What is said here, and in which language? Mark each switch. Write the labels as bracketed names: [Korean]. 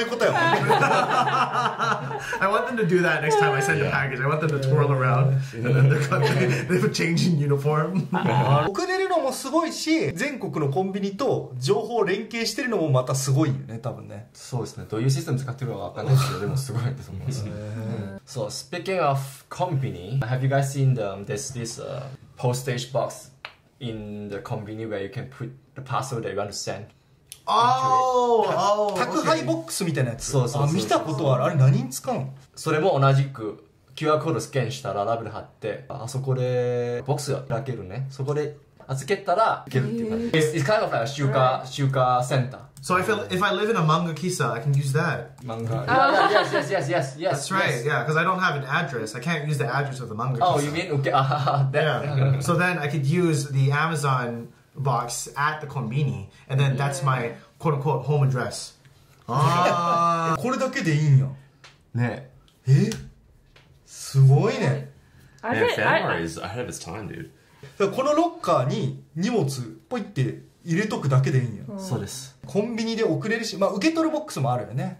[English] I want them to do that next time I send a package. I want them to twirl around and then they're changing uniform. [Japanese] 送れるのもすごいし、全国のコンビニと情報連携してるのもまたすごいよね、多分ね。そうですね。どういうシステム使ってるのかわかんないですけど、でもすごいと思います。 [English] So speaking of company, have you guys seen this postage box in the company where you can put the parcel that you want to send? [Japanese] 宅配ボックスみたいなやつ。そうそう。見たことある。あれ何に使うの？それも同じく QR コードスキャンしたらラベル貼って、あそこでボックス開けるね。そこで預けたら開けるっていう感じ。 [English] It's kind of like a [Japanese] 集荷センター。 [English] So I feel if I live in a manga kisa, I can use that. Manga. Yes. That's right. Yes. Yeah, because I don't have an address. I can't use the address of the manga kisa. Oh, you mean? Okay. So then I could use the Amazon. Box at the konbini, and then that's my quote unquote home address. [Japanese] Ah, これだけでいいんや。ね。え？すごいね。 [English] Man, February is ahead of its time, dude. [Japanese] だこのロッカーに荷物ポイって入れとくだけでいいんや。そうです。コンビニで送れるし、まあ受け取るボックスもあるよね。